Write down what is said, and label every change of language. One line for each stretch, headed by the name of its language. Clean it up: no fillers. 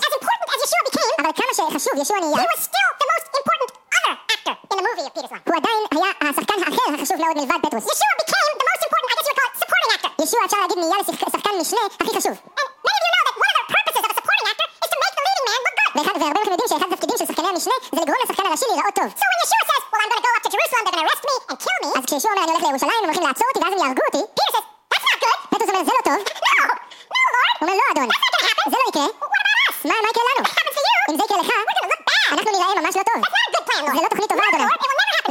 English: But as important as Yeshua became.
Hebrew: אבל כמה שחשוב ישוע נהיה.
English: He was still the most important other actor in the movie of Peter's life.
Hebrew: הוא עדיין היה השחקן האחר החשוב מאוד מלבד פטרוס.
English: Yeshua became the most important, I guess you would call it, supporting actor.
Hebrew: ישוע אפשר להגיד נהיה לשחקן משנה הכי חשוב.
English: And many of you know that one of the purposes of a supporting actor is to make the leading man look good.
Hebrew: והרבה מכם יודעים שאחד התפקידים של שחקני המשנה זה לגרום לשחקן הראשי להיראות טוב.
English: So when Yeshua says, well, I'm going to go up to Jerusalem, they're going to arrest me and kill me.
Hebrew: אז כשישוע אומר, אני הולך לירושלים, הם הולכים לעצור אותי ואז הם יהרגו אותי.
English: Peter says, that's not good.
Hebrew: פטרוס אומר, זה לא טוב.
English: No, no, Lord.
Hebrew: אומר, לא, אדון.
English: That's not going to happen.
Hebrew: זה לא יקרה.
English: What about us?
Hebrew: מה יקרה לך?
English: We're going to look bad.
Hebrew: אנחנו נראה ממש לא טוב.
English: That's not a good plan, Lord.
Hebrew: זה לא תוכנית טובה,
English: no,
Hebrew: אדון.
English: Lord, it will never happen.